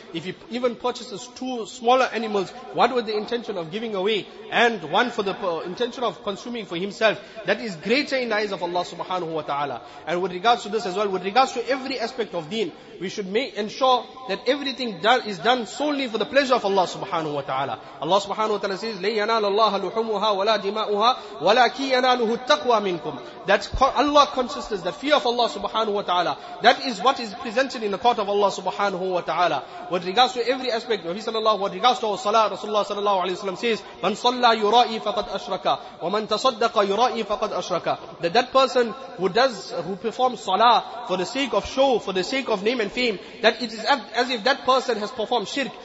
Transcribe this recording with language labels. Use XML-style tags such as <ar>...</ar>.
<en>If he even purchases 2 smaller animals, what would the intention of giving away, and one for the intention of consuming for himself, that is greater in the eyes of Allah subhanahu wa ta'ala. And with regards to this as well, with regards to every aspect of deen, we should ensure that everything is done solely for the pleasure of Allah subhanahu wa ta'ala.</en> <ar>Allah subhanahu wa ta'ala says, لَنْ يَنَالَ اللَّهَ لُحُمُهَا وَلَا دِمَاؤُهَا وَلَا كِي يَنَالُهُ التَّقْوَى مِنْكُمْ.</ar> <en>That Allah consciousness, the fear of Allah subhanahu wa ta'ala, that is what is presented in the court of Allah subhanahu wa ta'ala. With regards to every aspect, Nabi sallallahu, with regards to our salah,</en> <ar>Rasulullah sallallahu alayhi wa sallam says, مَنْ صَلَّى يُرَائِي فَقَدْ أَشْرَكَ وَمَنْ تَصَدَّقَ يُرَائِي فَقَدْ أَشْرَكَ.</ar> <en>That person who performs salah for the sake of show, for the sake of name and fame, that it is as if that person has performed shirk.</en>